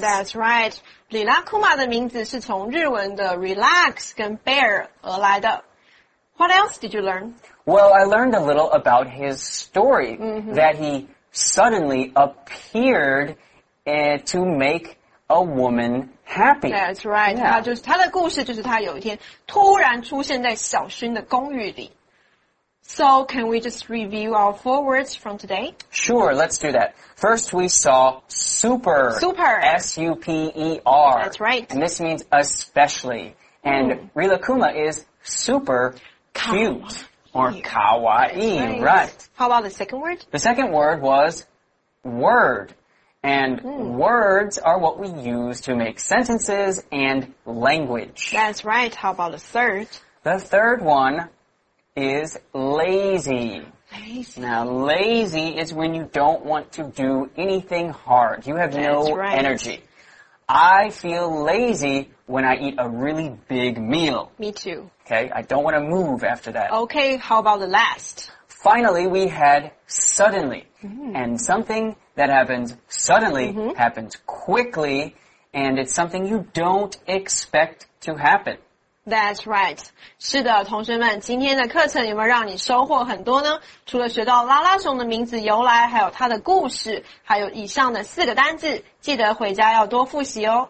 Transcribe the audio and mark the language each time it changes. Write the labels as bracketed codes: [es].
[en] That's right. [zh] Rila Kuma 的名字是从日文的 relax 跟 bear 而来的。 [en] What else did you learn? Well, I learned a little about his story,、 mm-hmm. that he suddenly appeared、to make a woman happy. That's right.、 Yeah. [zh] 他的故事就是他有一天突然出现在小薰的公寓里。 [en] So, can we just review our four words from today? Sure, let's do that. First, we saw super. Super. S-U-P-E-R. That's right. And this means especially. And、mm. Rila Kuma is super. Cute or kawaii, right. How about the second word? The second word was word. And、mm. words are what we use to make sentences and language. That's right. How about the third? The third one is lazy. Lazy. Now, lazy is when you don't want to do anything hard. You have、 That's、 right. energy. I feel lazy when I eat a really big meal. Me too. Okay, I don't want to move after that. Okay, how about the last? Finally, we had suddenly.、 Mm-hmm. And something that happens suddenly、 mm-hmm. happens quickly, and it's something you don't expect to happen. That's right. [zh] 是的，同学们，今天的课程有没有让你收获很多呢？除了学到拉拉熊的名字由来，还有它的故事，还有以上的四个单字，记得回家要多复习哦。